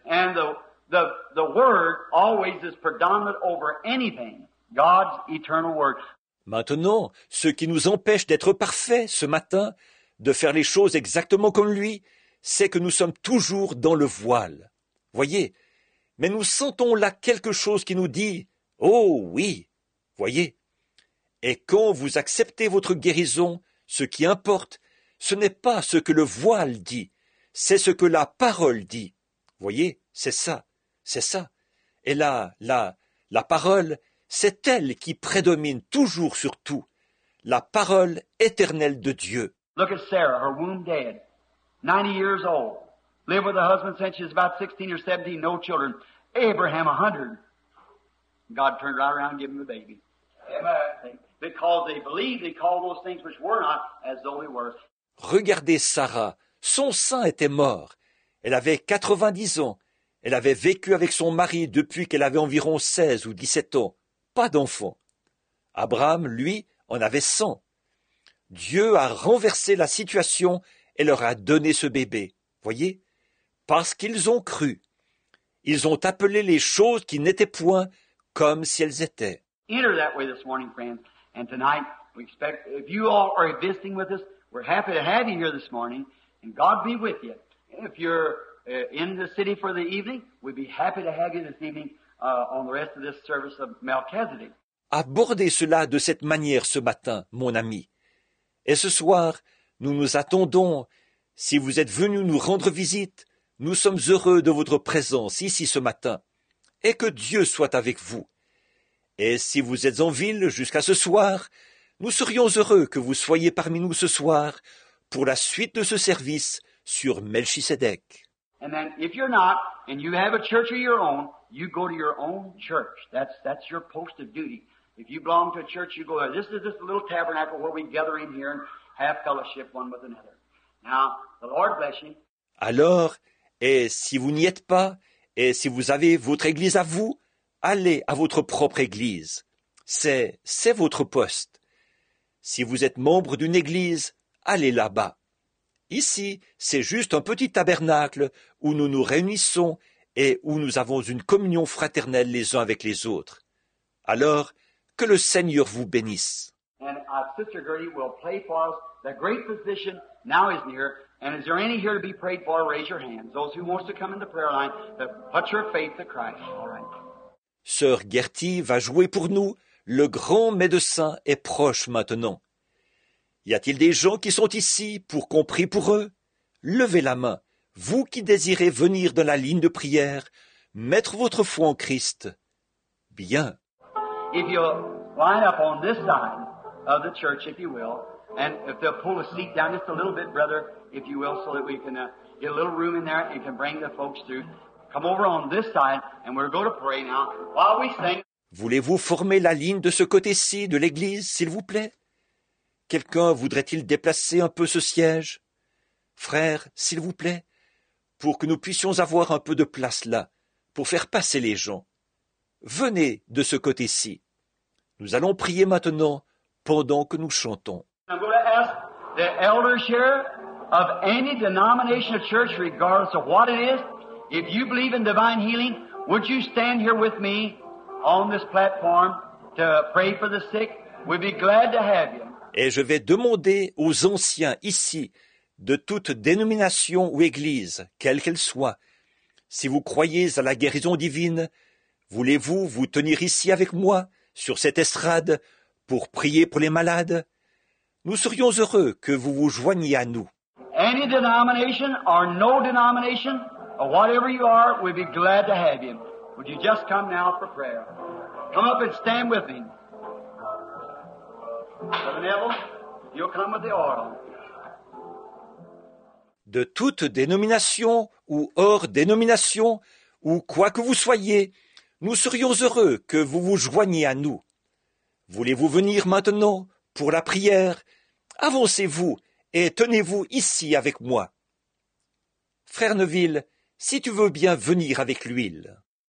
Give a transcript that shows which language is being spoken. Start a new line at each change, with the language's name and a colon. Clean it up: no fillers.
English: And the Word always is predominant over anything. God's eternal Word.
French: Maintenant, ce qui nous empêche d'être parfaits ce matin, de faire les choses exactement comme lui, c'est que nous sommes toujours dans le voile. Voyez, mais nous sentons là quelque chose qui nous dit « Oh oui !» Voyez, et quand vous acceptez votre guérison, ce qui importe, ce n'est pas ce que le voile dit, c'est ce que la parole dit. Voyez, c'est ça. Et la parole, c'est elle qui prédomine toujours sur tout, la parole éternelle de Dieu.
English: Look at Sarah, her womb dead, 90 years old, live with her husband since she's about 16 or 17, no children. Abraham, 100. God turned right around and gave him a baby. Amen. Because they believed, they called those things which were not as though they were.
French: Regardez Sarah, son sein était mort. Elle avait 90 ans. Elle avait vécu avec son mari depuis qu'elle avait environ 16 ou 17 ans. Pas d'enfant. Abraham, lui, en avait 100. Dieu a renversé la situation et leur a donné ce bébé, voyez, parce qu'ils ont cru. Ils ont appelé les choses qui n'étaient point comme si elles étaient.
English: Enter that way this morning, friends, and tonight we expect, if you all are visiting with us, we're happy to have you here this morning, and God be with you. If you're in the city for the evening, we'd be happy to have you this evening on the rest of this service of Melchizedek.
French: Abordez cela de cette manière ce matin, mon ami. Et ce soir, nous nous attendons, si vous êtes venu nous rendre visite, nous sommes heureux de votre présence ici ce matin, et que Dieu soit avec vous. Et si vous êtes en ville jusqu'à ce soir, nous serions heureux que vous soyez parmi nous ce soir pour la suite de ce service sur Melchisédek.
English: And then, if you're not, and you have a church of your own, you go to your own church. That's your post of duty. If you belong to a church, you go there. This is just a little tabernacle where we gather in here and have fellowship one with another. Now, the Lord bless you.
French: Alors, et si vous n'y êtes pas, et si vous avez votre église à vous, allez à votre propre église. C'est votre poste. Si vous êtes membre d'une église, allez là-bas. Ici, c'est juste un petit tabernacle où nous nous réunissons et où nous avons une communion fraternelle les uns avec les autres. Alors, que le Seigneur vous bénisse.
English: And Sister Gertie will play for us. The great physician now is near. And is there any here to be prayed for? Raise your hands. Those who want to come in the prayer line, put your faith to Christ. All right.
French: Sœur Gertie va jouer pour nous. Le grand médecin est proche maintenant. Y a-t-il des gens qui sont ici pour qu'on prie pour eux? Levez la main. Vous qui désirez venir dans la ligne de prière, mettre votre foi en Christ. Bien.
English: If you'll line up on this side of the church, if you will, and if they'll pull a seat down just a little bit, brother, if you will, so that we can get a little room in there and can bring the folks through. Come over on this side, and we're going to pray now while we sing.
French: Voulez-vous former la ligne de ce côté-ci de l'église, s'il vous plaît? Quelqu'un voudrait-il déplacer un peu ce siège? Frère, s'il vous plaît, pour que nous puissions avoir un peu de place là, pour faire passer les gens. Venez de ce côté-ci. Nous allons prier maintenant pendant que nous chantons.
English: I'm going to ask the elders here of any denomination of church, regardless of what it is, if you believe in divine healing, would you stand here with me on this platform to pray for the sick? We'd be glad to have you.
French: Et je vais demander aux anciens ici, de toute dénomination ou église, quelle qu'elle soit, si vous croyez à la guérison divine, voulez-vous vous tenir ici avec moi, sur cette estrade, pour prier pour les malades? Nous serions heureux que vous vous joigniez à nous.
English: Any denomination or no denomination, or whatever you are, we'd be glad to have you. Would you just come now for prayer? Come up and stand with me. Brother Neville, you'll come with the oil.
French: De toute dénomination ou hors dénomination, ou quoi que vous soyez, Nous serions heureux que vous vous joigniez à nous. Voulez-vous venir maintenant pour la prière? Avancez-vous et tenez-vous ici avec moi. Frère Neville, si tu veux bien venir avec l'huile.